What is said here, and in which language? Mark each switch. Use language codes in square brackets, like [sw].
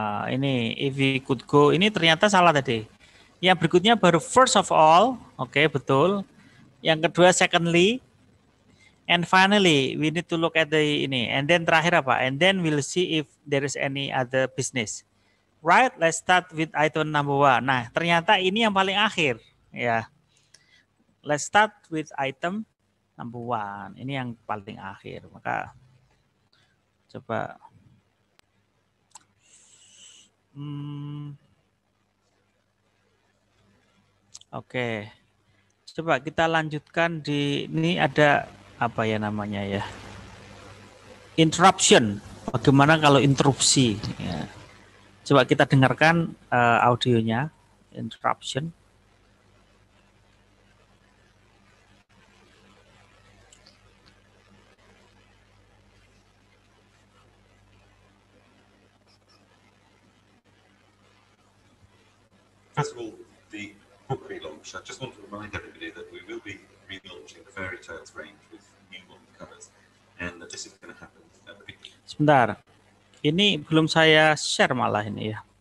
[id] Ini ternyata salah tadi. Yang berikutnya baru [en] first of all. Okay, [id] betul. Yang kedua secondly. [en] And finally, we need to look at the ini. And then [id] terakhir apa? [en] And then we'll see if there is any other business. Right, let's start with item number one. [id] Nah, ternyata ini yang paling akhir. [en] Yeah. Let's start with item number one. [id] Ini yang paling akhir. Maka coba. [en] Okay. [id] Coba kita lanjutkan di, ini ada apa ya namanya ya. Interruption. Bagaimana kalau interupsi? Ya. Coba kita dengarkan audionya. [en] Interruption. First of all, the book relaunch. I just want to remind everybody that we will be relaunching the Fairy Tales range with new one covers, and that this is going to happen. [id] Sebentar. Ini belum saya share malah ini ya.